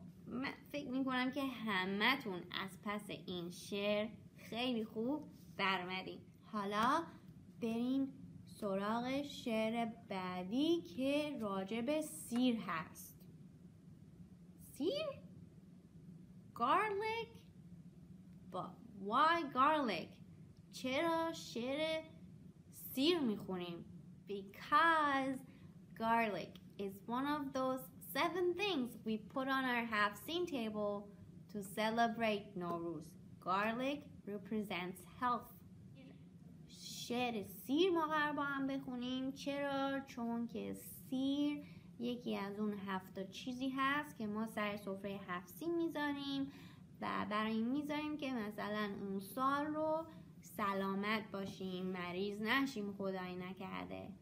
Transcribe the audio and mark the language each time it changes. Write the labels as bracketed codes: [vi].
[fa] من فکر میکنم که همه تون از پس این شعر خیلی خوب برمدین. حالا بریم سراغ شعر بعدی که راجب سیر هست. [en] سیر؟ Garlic? Why garlic? [fa] چرا شعر سیر میخونیم؟ [en] Because garlic is one of those 7 things we put on our half-seen table to celebrate Norooz. Garlic represents health. [fa] شعر سیر ما قرار با هم بخونیم. چرا؟ چون که سیر یکی از اون هفت تا چیزی هست که ما سر سفره هفت سین میذاریم و برای این میذاریم که مثلا اون سال رو سلامت باشیم، مریض نشیم خدای نکرده.